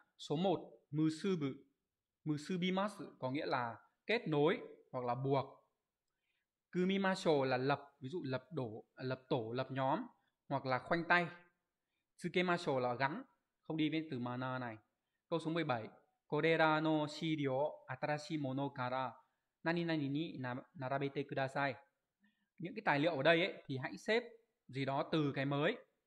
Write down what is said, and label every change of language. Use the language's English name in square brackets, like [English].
[Vietnamese] Số 1, musubu. Musubimasu có nghĩa là kết nối hoặc là buộc. Kumimasho là lập, ví dụ lập đổ, lập tổ, lập nhóm hoặc là khoanh tay. Tsukemasho là gắn, không đi với từ mana này. Câu số 17. [Japanese] これらの資料を新しいものから何々に並べてください。 [Vietnamese] Những cái tài liệu ở đây ấy, thì hãy xếp gì đó từ cái mới.